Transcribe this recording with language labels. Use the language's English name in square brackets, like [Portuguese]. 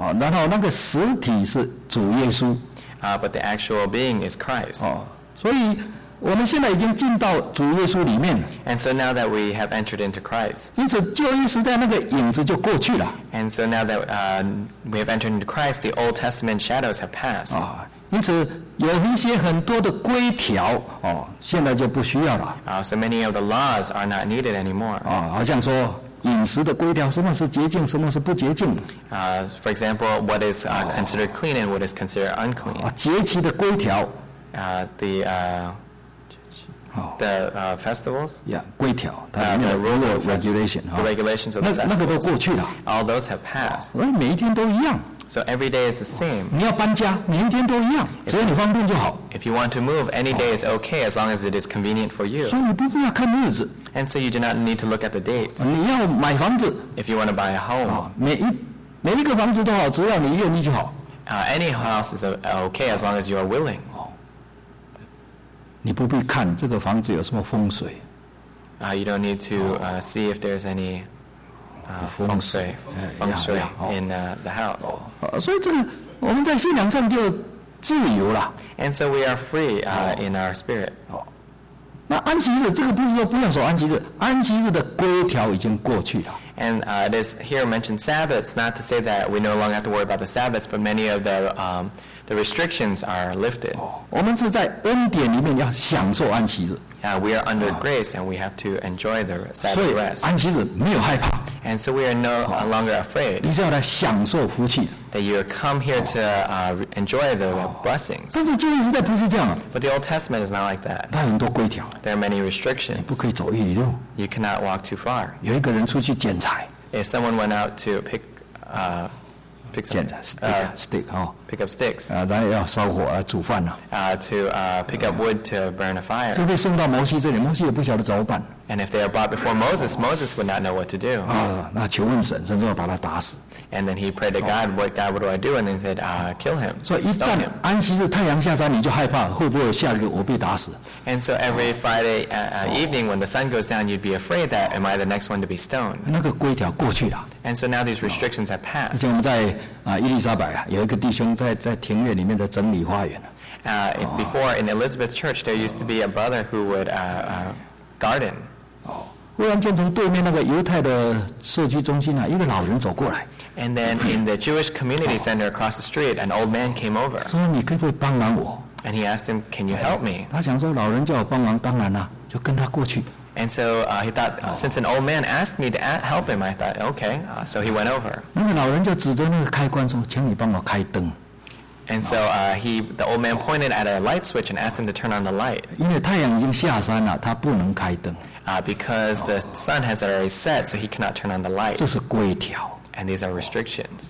[Chinese] 然后那个实体是主耶稣。 [English] But the actual being is Christ. [Chinese] 所以。我们现在已经进到主耶稣里面。 [English] And so now that we have entered into Christ. [Chinese] 因此旧约时代那个影子就过去了。 [English] And so now that we have entered into Christ, the Old Testament shadows have passed. [Chinese] 因此有一些很多的规条现在就不需要了。 [English] So many of the laws are not needed anymore. [Chinese] 好像说饮食的规条，什么是洁净，什么是不洁净。 [English] For example, what is considered clean and what is considered unclean. [Chinese] 节期的规条。 [English] The festivals? Yeah, [Chinese] 规条, [English] the rules of regulation, the regulations of the festivals. [Chinese] 那个都过去了, [English] all those have passed. [Chinese] 所以每一天都一样, [English] so every day is the same. [Chinese] 你要搬家, 每一天都一样, 只要你方便就好。 [English] If you want to move, any day is okay as long as it is convenient for you. [Chinese] 所以你不必要看日子。 [English] And so you do not need to look at the dates. [Chinese] 你要买房子, [English] if you want to buy a home. [Chinese] 每一个房子都好, 只要你愿意就好。 [English] Any house is okay as long as you are willing. [Chinese] 你不必看这个房子有什么风水。 [English] You don't need to see if there's any [Chinese] 风水 [English] in the house. [Chinese] 所以这个我们在信仰上就自由了。 [English] And so we are free in our spirit. [Chinese] 那安息日这个不是说不用守安息日，安息日的规条已经过去了。 [English] And it is here mentioned Sabbaths, not to say that we no longer have to worry about the Sabbaths, but many of the restrictions are lifted. [Chinese] 我们是在恩典里面要享受安息日。 [English] Yeah, we are under grace and we have to enjoy the Sabbath rest. [Chinese] 所以安息日没有害怕。 [English] And so we are no longer afraid. [Chinese] 你是要来享受福气的。 [English] That you come here to enjoy the blessings. [Chinese] 但是旧约时代不是这样。 [English] But the Old Testament is not like that. [Chinese] 那很多规条。 [English] There are many restrictions. [Chinese] 你不可以走一里路。 [English] You cannot walk too far. [Chinese] 有一个人出去捡柴。 [English] If someone went out to pick pick up sticks. [Chinese] 然后要烧火煮饭呢。 [English] Pick up wood to burn a fire. [Chinese] 就被送到摩西这里，摩西也不晓得怎么办。 [English] And if they are brought before Moses, Moses would not know what to do. [Chinese] 那求问神，神就要把他打死。 [English] And then he prayed to God, "What God, what do I do?" And then said, "Kill him." [Chinese] 所以一旦安息日太阳下山，你就害怕会不会下一个我被打死。 [English] And so every Friday evening, when the sun goes down, you'd be afraid that am I the next one to be stoned? [Chinese] 那个规条过去了。 [English] And so now these restrictions have passed. [Chinese] 而且我们在伊丽莎白有一个弟兄在庭院里面在整理花园。 [English] Before in Elizabeth Church, there used to be a brother who would garden. [Chinese] 忽然间从对面那个犹太的社区中心一个老人走过来。 [English] And then in the Jewish community center across the street, an old man came over. [Chinese] 说你可不可以帮忙我？ [English] And he asked him, "Can you help me?" [Chinese] 他想说老人叫我帮忙，当然就跟他过去。 [English] And so he thought, since an old man asked me to help him, I thought, okay. So he went over. [Chinese] 那个老人就指着那个开关说，请你帮我开灯。 [English] And so the old man pointed at a light switch and asked him to turn on the light. [Chinese] 因为太阳已经下山了，他不能开灯。 [English] Because the sun has already set, so he cannot turn on the light. [Chinese] 这是规条。 [English] And these are restrictions.